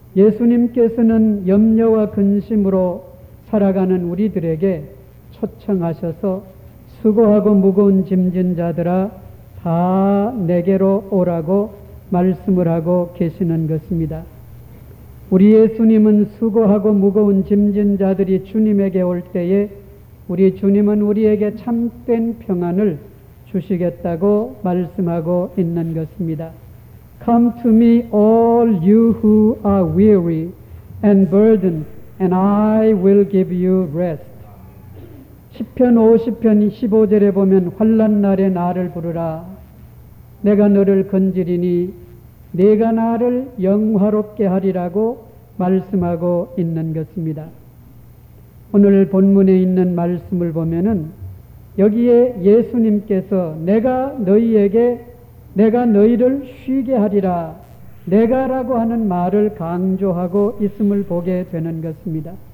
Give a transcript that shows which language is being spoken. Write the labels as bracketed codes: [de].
[ko] 예수님께서는 염려와 근심으로 살아가는 우리들에게 초청하셔서 수고하고 무거운 짐진 자들아 다 내게로 오라고 말씀을 하고 계시는 것입니다. 우리 예수님은 수고하고 무거운 짐진 자들이 주님에게 올 때에 우리 주님은 우리에게 참된 평안을 주시겠다고 말씀하고 있는 것입니다. [en] Come to me all you who are weary and burdened and I will give you rest. [ko] 시편 50편 15절에 보면 환난 날에 나를 부르라. 내가 너를 건지리니 내가 나를 영화롭게 하리라고 말씀하고 있는 것입니다. 오늘 본문에 있는 말씀을 보면은 여기에 예수님께서 내가 너희를 쉬게 하리라, 내가 라고 하는 말을 강조하고 있음을 보게 되는 것입니다.